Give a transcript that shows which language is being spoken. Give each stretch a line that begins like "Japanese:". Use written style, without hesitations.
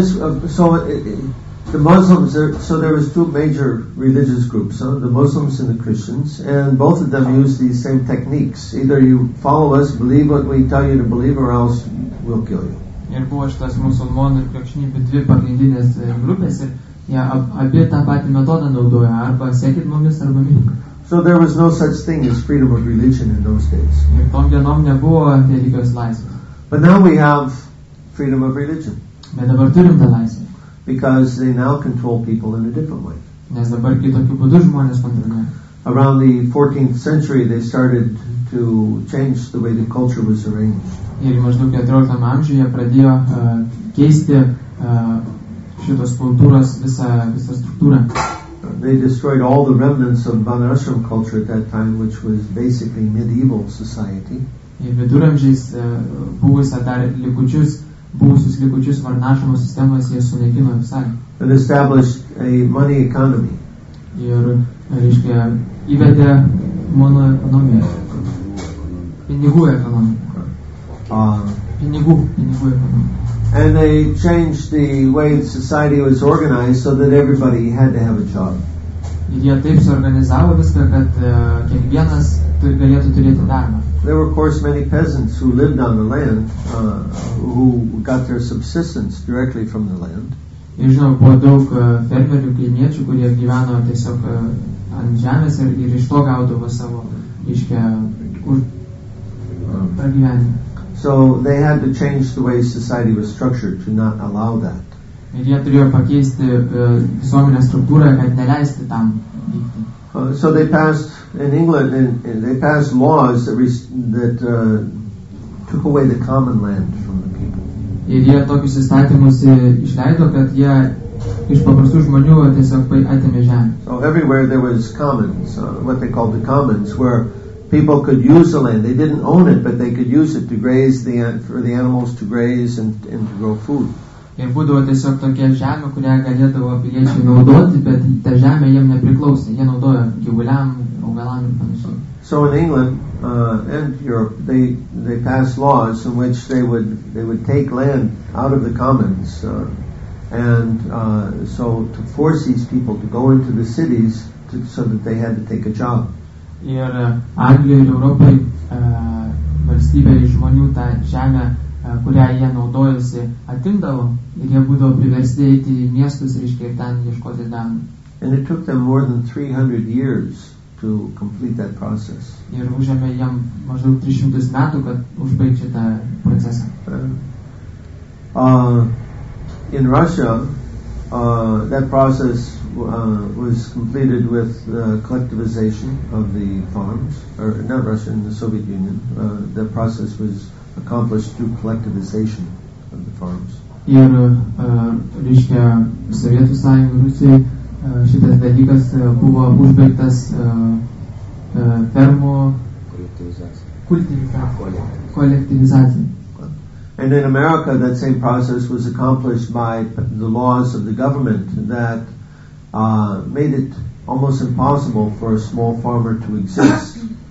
English: The Muslims, so there was two major religious groups, huh? The Muslims and the Christians, and both of them used these same techniques. Either you follow us, believe what we tell you to believe, or else we'll kill you.
Lithuanian: Ir buvo šitas musulmonų ir krikščionybė dvi pagrindinės grupės, ir jie abi tą patį metodą naudoja, arba sekit mumis, arba mirk.
English: So there was no such thing as freedom of religion in those days.
Lithuanian: Ir tom dienom nebuvo religijos laisvė.
English: But now we have freedom of religion.
Lithuanian: Bet dabar turim tą laisvę.
English: Because they now control people in a different way.
Lithuanian: Nes dabar kitokiu būdu žmonės kontroliuoja.
English: Around the 14th century, they started to change the way the culture was arranged.
Lithuanian: Ir maždaug 14 amžiuje pradėjo keisti šitos kultūros visą struktūrą.
English: They destroyed all the remnants of Banarasram culture at that time, which was basically medieval society.
Lithuanian: Ir viduramžiais buvusią dar likučius. Buvusius likučius varnašumo sistemas jie sunaikino visai.
English: And established a money economy.
Lithuanian: Ir, reiškia, įvedė mono ekonomiją. Pinigų ekonomiją. Pinigų ekonomiją.
English: And they changed the way the society was organized so that everybody had to have a job.
Lithuanian: Ir jie taip suorganizavo viską, kad kiekvienas galėtų turėti darbą.
English: There were, of course, many peasants who lived on the land, who got their subsistence directly from the land.
Lithuanian: Ir žinoma, buvo daug fermerių, kaimiečių, kurie gyveno tiesiog ant žemės ir iš to gaudavo savo pragyvenimą.
English: So they had to change the way society was structured to not allow that.
Lithuanian: Ir jie turėjo pakeisti visuomenę struktūrą, kad neleisti tam vykti.
English: So they passed in England, they passed laws that took away the common land from the people.
Lithuanian: Ir jie tokius įstatymus išleido, kad jie iš paprastų žmonių tiesiog atėmė žemę.
English: So everywhere there was commons, what they called the commons, where people could use the land. They didn't own it, but they could use it to graze for the animals to graze and to grow food.
Lithuanian: Ir būdavo tiesiog tokia žemė, kurią galėdavo piliečiai naudoti, bet ta žemė jiem nepriklausė. Jie naudojo gyvuliam, augalam ir panašiai.
English: So in England and Europe, they passed laws in which they would take land out of the commons so to force these people to go into the cities so that they had to take a job.
Lithuanian: Ir Anglijoje ir Europoje valstybė iš žmonių tą žemę, kurią jie naudojosi, atimdavo ir jie būdavo priversti eiti į miestus reiškia, ir ten ieškoti darbo.
English: And it took them more than 300 years to complete that process.
Lithuanian: Ir užėmė jam maždaug 300 metų, kad užbaigti tą procesą.
English: In Russia, that process was completed with the collectivization of the farms, or not Russia, in the Soviet Union. The process was accomplished through collectivization of the farms.
Lithuanian: Ir, reiškia, Sovietų Sąjungų Rusijai šitas dalykas buvo užbaigtas fermų kolektivizacija.
English: And in America, that same process was accomplished by the laws of the government that made it almost impossible for a small farmer to exist.